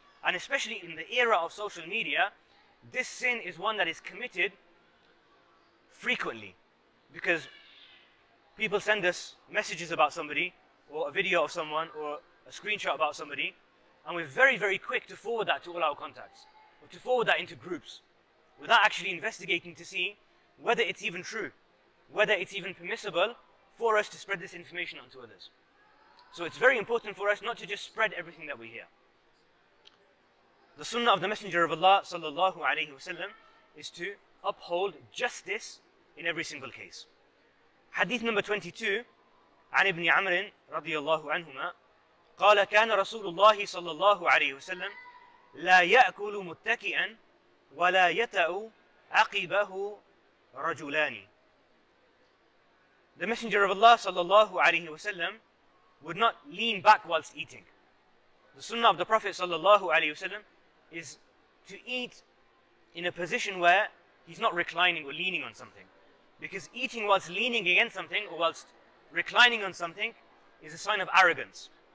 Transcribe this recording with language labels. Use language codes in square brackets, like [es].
[en] And especially in the era of social media, this sin is one that is committed frequently, because people send us messages about somebody, or a video of someone, or a screenshot about somebody, and we're very, very quick to forward that to all our contacts, or to forward that into groups, without actually investigating to see whether it's even true, whether it's even permissible for us to spread this information onto others. So it's very important for us not to just spread everything that we hear. The sunnah of the Messenger of Allah sallallahu alayhi wasallam is to uphold justice in every single case. Hadith number 22, [ar] عن ابن عمر رضي الله عنهما قال كان رسول الله صلى الله عليه وسلم لا يأكل متكئا ولا يتأ عقبه رجلان. [en] The Messenger of Allah [ar] صلى الله عليه وسلم [en] would not lean back whilst eating. The sunnah of the Prophet [ar] صلى الله عليه وسلم [en] is to eat in a position where he's not reclining or leaning on something. Because eating whilst leaning against something or whilst reclining on something is a sign of arrogance.